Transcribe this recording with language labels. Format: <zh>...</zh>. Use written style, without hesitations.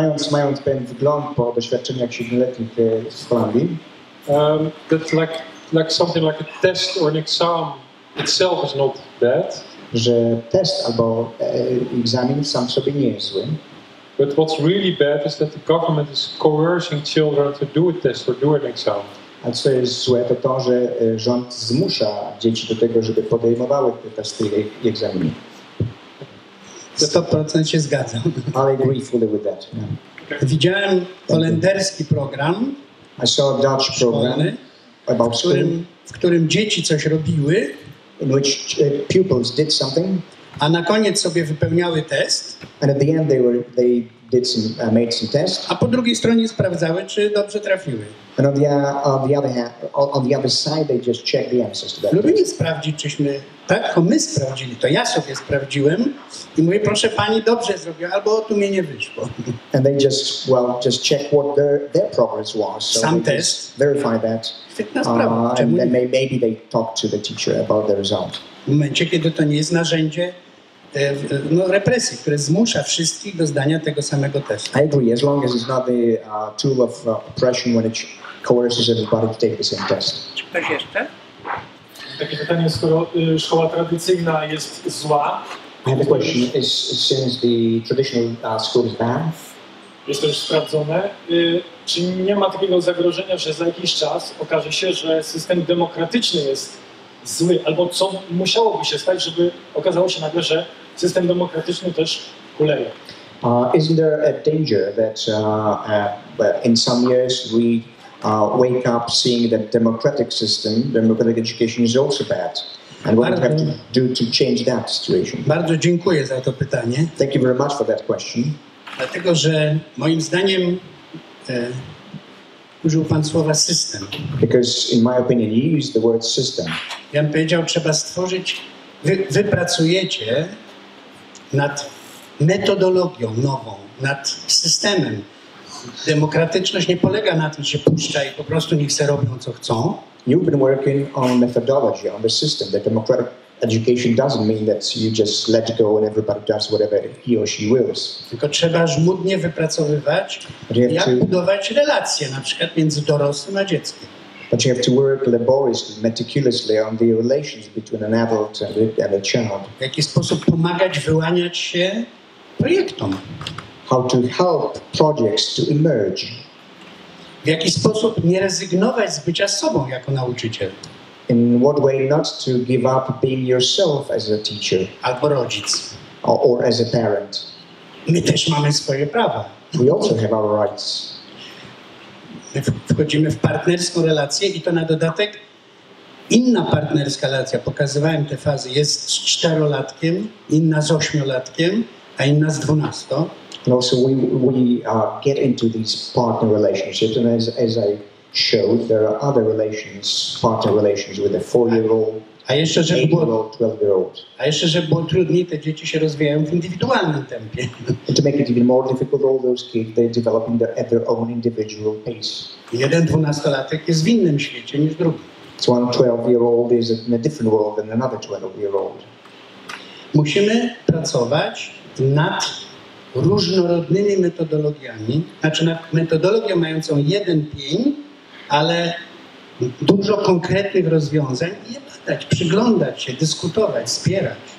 <pl>mając pewien wygląd po doświadczeniu jak 7-letnich w Holandii.</pl> <en>That's like something like a test or an exam itself is not bad.</en> <pl>Że test albo egzamin sam sobie nie jest zły.</pl> <en>But what's really bad is that the government is coercing children to do a test or do an exam.</en> <pl>A co jest złe, to to, że rząd zmusza dzieci do tego, żeby podejmowały te testy i egzaminy. 100% się zgadzam.</pl> <en>I agree fully with that. Yeah.</en> <pl>Widziałem holenderski program.</pl> <en>I saw a Dutch program about school.</en> <pl>W którym dzieci coś robiły.</pl> <en>In which pupils did something.</en> <pl>A na koniec sobie wypełniały test.</pl> <en>And at the end they did some, made some tests.</en> <pl>A po drugiej stronie sprawdzały, czy dobrze trafiły.</pl> <en>And on the other side they just checked the answers to that.</en> <pl>Lubię nie sprawdzić, czyśmy tak, tylko my sprawdzili. To ja sobie sprawdziłem i mówię, proszę pani, dobrze zrobił, albo tu mnie nie wyszło.</pl> <en>And they just check what their progress was. So</en> <pl>sam test.</pl> <en>Verify that.</en> <pl>Fitna sprawa.</pl> <en>And then maybe they talk to the teacher about the result.</en> <pl>W momencie, kiedy to nie jest narzędzie no, represji, które zmusza wszystkich do zdania tego samego testu.</pl> <en>I agree, as long as it's not the tool of oppression when it coerces everybody to take the same test.</en> <pl>Czy ktoś jeszcze? Takie pytanie, skoro szkoła tradycyjna jest zła.</pl> <en>I have a question, since the traditional school is bad.</en> <pl>Jest to już sprawdzone. Czy nie ma takiego zagrożenia, że za jakiś czas okaże się, że system demokratyczny jest zły, albo co musiałoby się stać, żeby okazało się nagle, że system demokratyczny też kuleje?</pl> <en>Isn't there a danger that in some years we wake up seeing that democratic system, democratic education is also bad, and what we have to do to change that situation?</en> <pl>Bardzo dziękuję za to pytanie.</pl> <en>Thank you very much for that question.</en> <pl>Dlatego, że moim zdaniem użył pan słowa system.</pl> <en>Because in my opinion you use the word system.</en> <pl>Ja bym powiedział, trzeba stworzyć, wy pracujecie nad metodologią nową, nad systemem. Demokratyczność nie polega na tym, że się puszcza i po prostu niech se robią, co chcą.</pl> <en>You've been working on methodology, on the system. The democratic education doesn't mean that you just let go and everybody does whatever he or she wills.</en> <pl>Tylko trzeba żmudnie wypracowywać, jak budować relacje na przykład między dorosłym a dzieckiem.</pl> <en>But you have to work laboriously, meticulously on the relations between an adult and a child.</en> <pl>W jaki sposób pomagać wyłaniać się projektom?</pl> <en>How to help projects to emerge.</en> <pl>W jaki sposób nie rezygnować z bycia sobą jako nauczyciel?</pl> <en>In what way not to give up being yourself as a teacher?</en> <pl>Albo rodzic.</pl> <en>Or as a parent.</en> <pl>My też mamy swoje prawa.</pl> <en>We also have our rights.</en> <pl>My wchodzimy w partnerską relację i to na dodatek inna partnerska relacja, pokazywałem te fazy, jest z czterolatkiem, inna z ośmiolatkiem, a inna z dwunastą.</pl> <en>And also we get into these partner relationships, and as I showed, there are other relations, partner relations with a 4-year-old, 8-year-old, 12-year-old.</en> <pl>A jeszcze, żeby było trudniej, te dzieci się rozwijają w indywidualnym tempie.</pl> <en>And to make it even more difficult, all those kids, they're developing at their own individual pace.</en> <pl>Jeden dwunastolatek jest w innym świecie niż drugi.</pl> <en>So one 12-year-old is in a different world than another 12-year-old.</en> <pl>Musimy pracować nad różnorodnymi metodologiami, znaczy na metodologię mającą jeden pień, ale dużo konkretnych rozwiązań i je badać, przyglądać się, dyskutować, wspierać.</pl>